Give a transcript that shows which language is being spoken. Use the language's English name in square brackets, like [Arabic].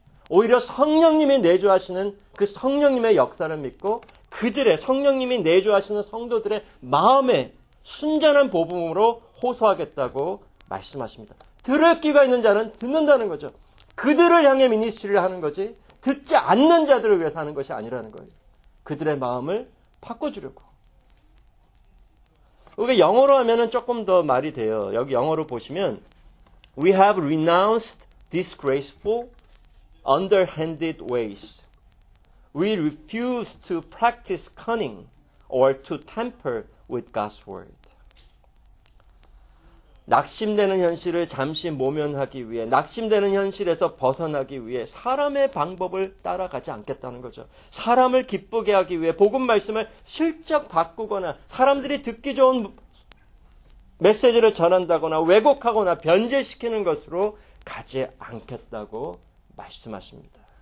[Korean] 오히려 성령님이 내주하시는 그 성령님의 역사를 믿고 그들의 성령님이 내주하시는 성도들의 마음에 순전한 복음으로 호소하겠다고 말씀하십니다. 들을 귀가 있는 자는 듣는다는 거죠. 그들을 향해 미니스트리를 하는 거지 듣지 않는 자들을 위해서 하는 것이 아니라는 거예요. 그들의 마음을 바꿔주려고. 이게 영어로 하면은 조금 더 말이 돼요. 여기 영어로 보시면 [English] We have renounced disgraceful underhanded ways. We refuse to practice cunning or to tamper with God's word. [Korean] 낙심되는 현실을 잠시 모면하기 위해, 낙심되는 현실에서 벗어나기 위해 사람의 방법을 따라가지 않겠다는 거죠. 사람을 기쁘게 하기 위해 복음 말씀을 슬쩍 바꾸거나 사람들이 듣기 좋은 메시지를 전한다거나 왜곡하거나 변제시키는 것으로 가지 않겠다고 말씀하십니다.